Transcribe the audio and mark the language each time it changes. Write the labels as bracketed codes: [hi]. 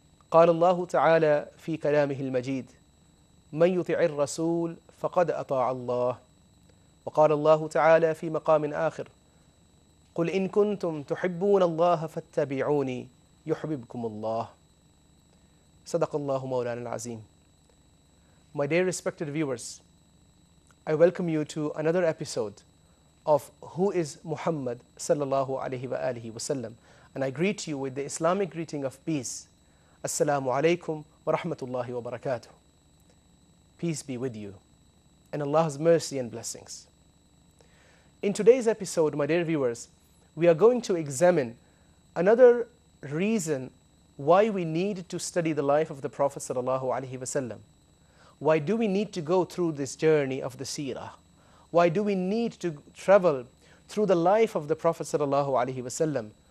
[ar] قال الله تعالى في كلامه المجيد من يطع الرسول فقد أطاع الله وقال الله تعالى في مقام آخر قُلْ إِن كُنْتُمْ تُحِبُّونَ اللَّهَ فَاتَّبِعُونِي يُحْبِبْكُمُ اللَّهِ صدق الله مولانا العظيم. [en] My dear respected viewers, I welcome you to another episode of Who is Muhammad [ar] صلى الله عليه وآله وسلم, [en] and I greet you with the Islamic greeting of peace. [ar] السلام عليكم ورحمة الله وبركاته. [en] Peace be with you and Allah's mercy and blessings. In today's episode, my dear viewers, we are going to examine another reason why we need to study the life of the Prophet sallallahu alaihi wasallam. Why do we need to go through this journey of the seerah? Why do we need to travel through the life of the Prophet sallallahu alaihi wasallam?